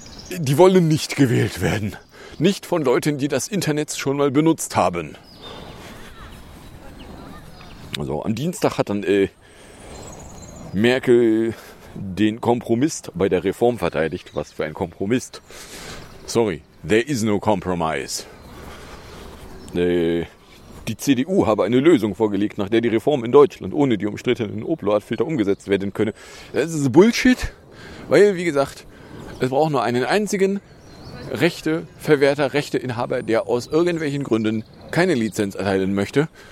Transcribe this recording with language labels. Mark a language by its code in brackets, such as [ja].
[de] Die wollen nicht gewählt werden. Nicht von Leuten, die das Internet schon mal benutzt haben. Also am Dienstag hat dann Merkel den Kompromiss bei der Reform verteidigt. Was für ein Kompromiss. [en] Sorry, there is no compromise. [de] Die CDU habe eine Lösung vorgelegt, nach der die Reform in Deutschland ohne die umstrittenen Opioidfilter umgesetzt werden könne. Das ist Bullshit, weil, wie gesagt, es braucht nur einen einzigen Rechteverwerter, Rechteinhaber, der aus irgendwelchen Gründen keine Lizenz erteilen möchte.